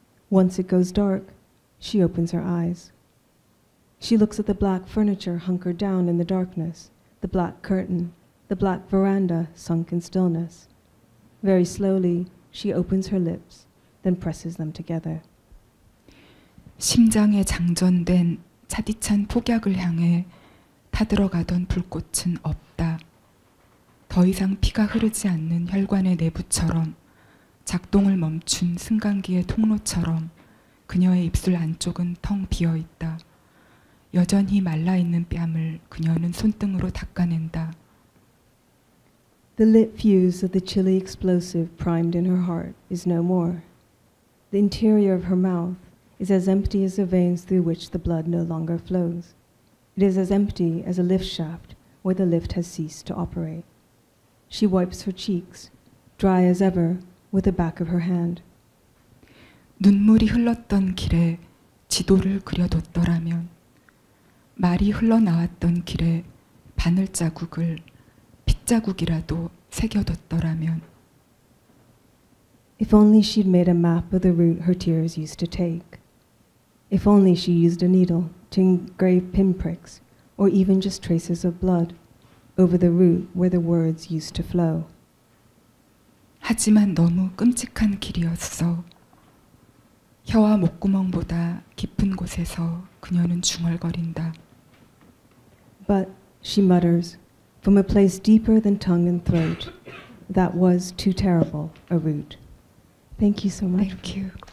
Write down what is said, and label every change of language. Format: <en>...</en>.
<en>Once it goes dark, she opens her eyes. She looks at the black furniture hunkered down in the darkness, the black curtain, the black veranda sunk in stillness. Very slowly, she opens her lips, then presses them together.</en> <ko>심장에 장전된 차디찬 폭약을 향해 타들어가던 불꽃은 없다. 더 이상 피가 흐르지 않는 혈관의 내부처럼 작동을 멈춘 승강기의 통로처럼 그녀의 입술 안쪽은 텅 비어 있다. 여전히 말라 있는 뺨을 그녀는 손등으로 닦아낸다.</ko> <en>The lit fuse of the chilly explosive primed in her heart is no more. The interior of her mouth is as empty as the veins through which the blood no longer flows. It is as empty as a lift shaft where the lift has ceased to operate. She wipes her cheeks, dry as ever, with the back of her hand.</en> <ko>눈물이 흘렀던 길에 지도를 그려뒀더라면 말이 흘러나왔던 길에 바늘 자국을 핏자국이라도 새겨뒀더라면</ko> <en>If only she'd made a map of the route her tears used to take. If only she used a needle to engrave pinpricks or even just traces of blood over the route where the words used to flow.</en> <ko>하지만 너무 끔찍한 길이었어. 혀와 목구멍보다 깊은 곳에서 그녀는 중얼거린다.</ko> <en>But, she mutters, from a place deeper than tongue and throat, that was too terrible a route. Thank you so much. Thank you.</en>